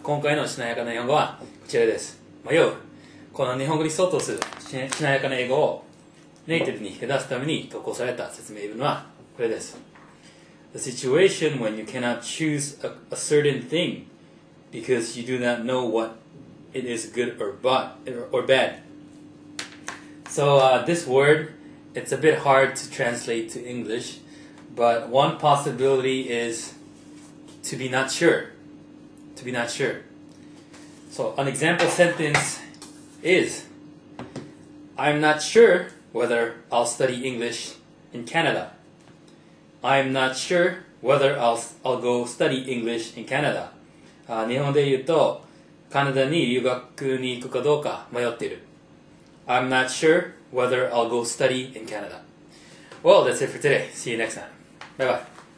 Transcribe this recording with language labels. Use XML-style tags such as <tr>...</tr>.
<ja>今回のしなやかな日本語はこちらです。迷う。この日本語に相当するしなやかな英語をネイティブに引き出すために投稿された説明文はこれです。</ja> <en>The situation when you cannot choose a certain thing because you do not know what it is good or bad. So, this word, it's a bit hard to translate to English, but one possibility is to be not sure. To be not sure. So an example sentence is, I'm not sure whether I'll study English in Canada. I'm not sure whether I'll go study English in Canada.</en> <ja>日本で言うと、カナダに留学に行くかどうか迷っている。</ja> <en>I'm not sure whether I'll go study in Canada. Well, that's it for today. See you next time. Bye bye.</en>